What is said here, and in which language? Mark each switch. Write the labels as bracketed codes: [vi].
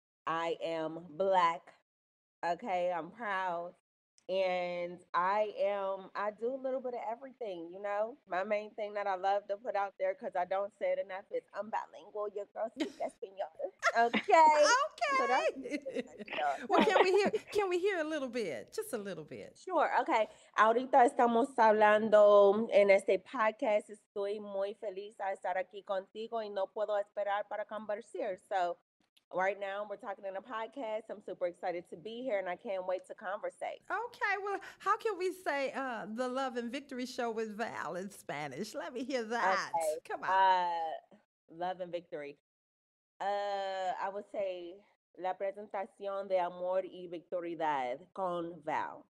[en] I am Black. Okay, I'm proud, and I do a little bit of everything, you know? My main thing that I love to put out there, because I don't say it enough, is I'm bilingual, your girl speak Espanol. Okay? Okay! So well, can we hear a little bit? Just a little bit. Sure, okay. [es] Ahorita estamos hablando en este podcast. Estoy muy feliz de estar aquí contigo, y no puedo esperar para conversar, so... [en] Right now, we're talking in a podcast. I'm super excited to be here, and I can't wait to conversate. Okay, well, how can we say the Love and Victory Show with Val in Spanish? Let me hear that. Okay. Come on. Love and Victory. I would say [es] La Presentación de Amor y Victoriedad con Val.